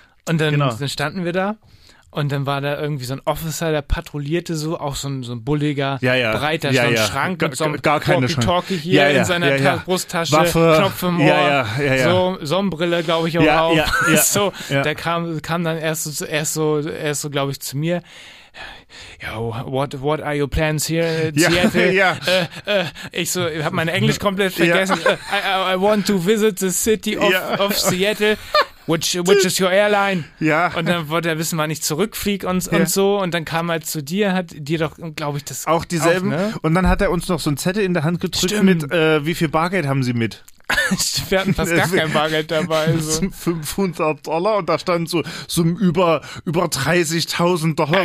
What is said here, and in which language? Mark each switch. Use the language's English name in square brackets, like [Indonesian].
[German] Und dann standen wir da. Und dann war da irgendwie so ein Officer, der patrouillierte so, auch so ein bulliger, breiter, Schrank mit so einem Walkie-Talkie hier in seiner Brusttasche, Waffe, Knopf im Ohr, so Sonnenbrille, glaube ich, auch auf. Der kam dann erst so, glaube ich, zu mir. [English] Yo, what are your plans here in Seattle? [German] Ich so, ich habe mein Englisch komplett vergessen. [English] I want to visit the city of Seattle. Which is your airline? [German] Ja. Und dann wollte er wissen, wann ich zurückfliege und so. Und dann kam er zu dir, hat dir doch, glaube ich, das... Auch dieselben. Auch, ne? Und dann hat er uns noch so einen Zettel in der Hand gedrückt mit, wie viel Bargeld haben Sie mit? Wir hatten fast gar kein Bargeld dabei. So. $500 und da stand so über 30.000 Dollar,